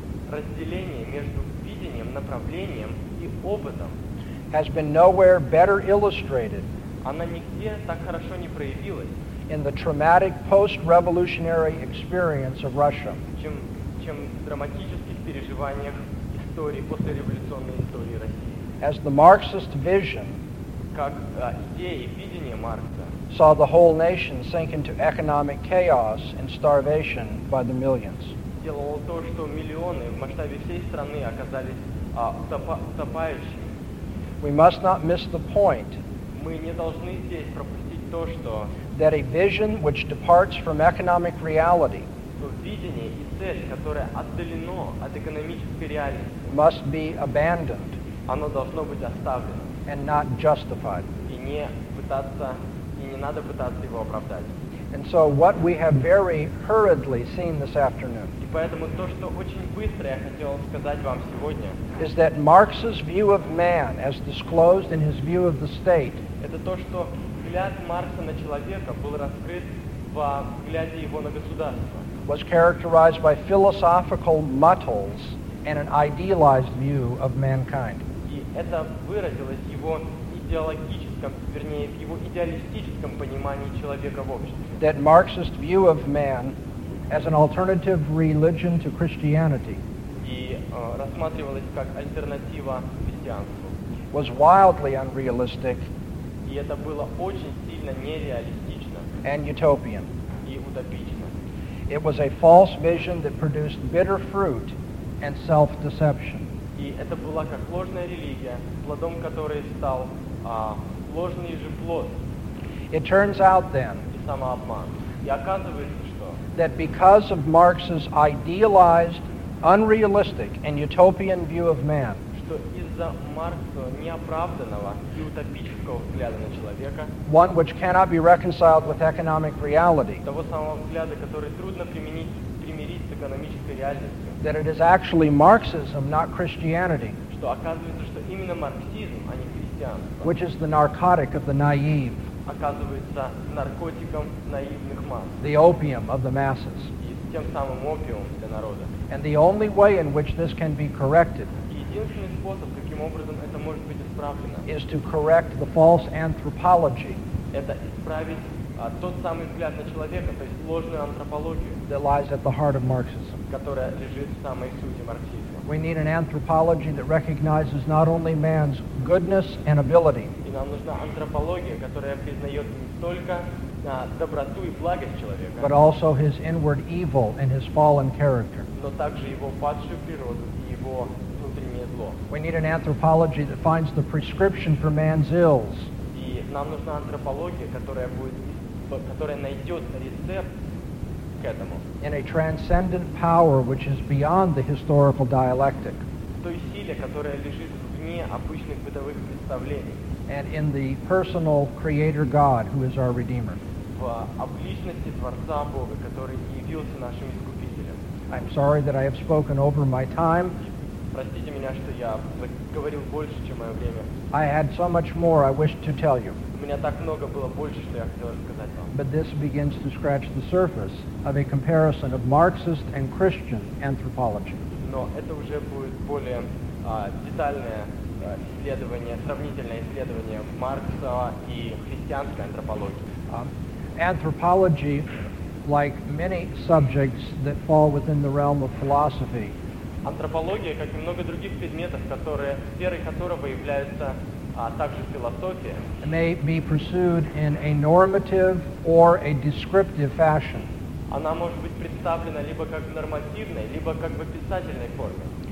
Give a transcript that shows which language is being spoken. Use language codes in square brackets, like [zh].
[ru] разделение между видением, направлением и опытом [en] has been nowhere better illustrated. [ru] Она нигде так хорошо не проявилась [en] in the traumatic post-revolutionary experience of Russia. [ru] Чем в драматических переживаниях послереволюционной истории России. [en] As the Marxist vision [ru] как идеи, видение Маркса [en] saw the whole nation sink into economic chaos and starvation by the millions. [ru] Делало то, что миллионы в масштабе всей страны оказались утопающими. [en] We must not miss the point. [ru] Мы не должны здесь пропустить то, что [en] that a vision which departs from economic reality [ru] видение и цель, которое отдалено от экономической реальности, [en] must be abandoned, [ru] оно должно быть оставлено [en] and not justified. [ru] И не пытаться, и не надо пытаться его оправдать. [en] And so what we have very hurriedly seen this afternoon, [ru] и поэтому то, что очень быстро я хотел сказать вам сегодня, [en] is that Marx's view of man, as disclosed in his view of the state, [ru] это то, что взгляд Маркса на человека был раскрыт во взгляде его на государство, [en] was characterized by philosophical muddles and an idealized view of mankind. [ru] И это выразилось в его идеологическом, вернее, в его идеалистическом понимании человека в обществе. [en] That Marxist view of man as an alternative religion to Christianity [ru] рассматривалось как альтернатива христианству. [en] Was wildly unrealistic. [ru] И это было очень сильно нереалистично. [en] And utopian. [ru] И утопично. [en] It was a false vision that produced bitter fruit and self-deception. [ru] И это была как ложная религия, плодом которой стал ложный же плод. [en] It turns out then, [ru] и самообман. И оказывается, что [en] that because of Marx's idealized, unrealistic, and utopian view of man, [ru] что из-за Маркса неоправданного и утопического взгляда на человека, [en] one which cannot be reconciled with economic reality, [ru] того самого взгляда, который трудно примирить с экономической реальностью, [en] that it is actually Marxism, not Christianity, [ru] что оказывается, что именно марксизм, а не христианство, [en] which is the narcotic of the naive, [ru] оказывается наркотиком наивных масс, [en] the opium of the masses, [ru] и тем самым опиум для народа. [en] And the only way in which this can be corrected, [ru] единственный способ, каким образом это может быть исправлено, [en] is to correct the false anthropology, [ru] это исправить тот самый взгляд на человека, то есть ложную антропологию, [en] that lies at the heart of Marxism, [ru] которая лежит в самой сути марксизма. [en] We need an anthropology that recognizes not only man's goodness and ability, [ru] и нам нужна антропология, которая признает не только доброту и благость человека, [en] but also his inward evil and his fallen character, [ru] но также его падшую природу и его внутреннее зло. [en] We need an anthropology that finds the prescription for man's ills, [ru] и нам нужна антропология, которая будет, которая найдет рецепт к этому, [en] in a transcendent power which is beyond the historical dialectic, [ru] той силе, которая лежит вне обычных бытовых представлений, [en] and in the personal creator God who is our redeemer, [ru] в обличности Творца Бога, который явился нашим искупителем. [en] I'm sorry that I have spoken over my time. [ru] Простите меня, что я говорил больше, чем мое время. [en] I had so much more I wished to tell you. [ru] У меня так много было больше, что я хотел рассказать вам. [en] But this begins to scratch the surface of a comparison of Marxist and Christian anthropology. [ru] Но это уже будет более детальное исследование, сравнительное исследование Маркса и христианской антропологии. [en] Anthropology, like many subjects that fall within the realm of philosophy, [ru] антропология, как и много других предметов, которые сферой которого является также философия, [en] may be pursued in a normative or a descriptive fashion. [ru] Она может быть представлена либо как в нормативной, либо как в описательной форме.